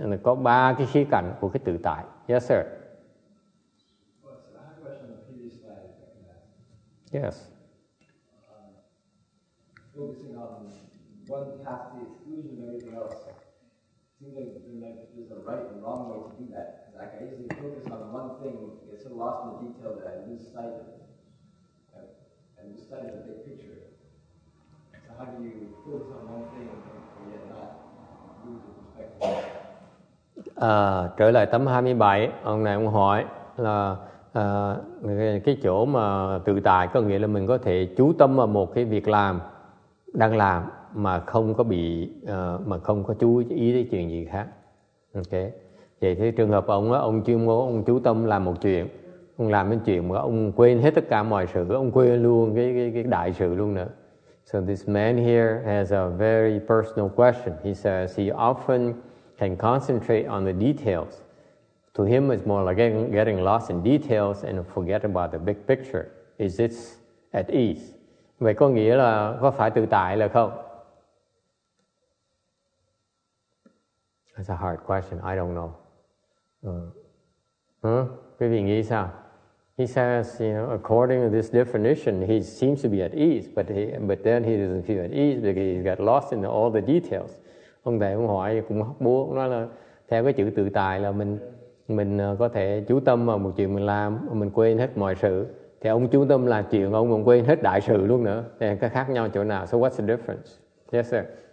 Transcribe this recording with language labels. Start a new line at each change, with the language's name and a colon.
Vietnamese: And có ba cái khía cạnh của cái tự tại.
English: Yes, sir. Well, so I have a question on the previous slide. Yes. Focusing on one path, the exclusion of everything else. It seems like there's a right and wrong way to do that. Like, I usually focus on one thing and get so lost in the detail that I lose sight of it. And lose sight of the big picture. So how do you focus on one thing and yet not lose the perspective?
Vietnamese: Trở lại tấm 27, ông này ông hỏi là cái chỗ mà tự tại có nghĩa là mình có thể chú tâm vào một cái việc làm đang làm mà không có bị mà không có chú ý tới chuyện gì khác. Ok, vậy thì trường hợp ông đó, ông chuyên môn ông chú tâm làm một chuyện, ông làm cái chuyện mà ông quên hết tất cả mọi sự, ông quên luôn cái đại sự luôn nữa.
English: So this man here has a very personal question. He says he often can concentrate on the details. To him, it's more like getting lost in details and forget about the big picture. Is it at ease?
Vietnamese: Vậy có nghĩa là có phải tự tại là không?
English: That's a hard question. I don't know.
Vietnamese: Quý vị nghĩ sao?
English: He says, you know, according to this definition, he seems to be at ease, but then he doesn't feel at ease because he got lost in all the details.
Vietnamese: Ông thầy ông hỏi cũng hóc búa, ông nói là theo cái chữ tự tại là mình có thể chú tâm vào một chuyện mình làm, mình quên hết mọi sự. Thì ông chú tâm là chuyện ông quên hết đại sự luôn nữa. Thì cái khác nhau chỗ nào?
English: So what's the difference? Yes, sir.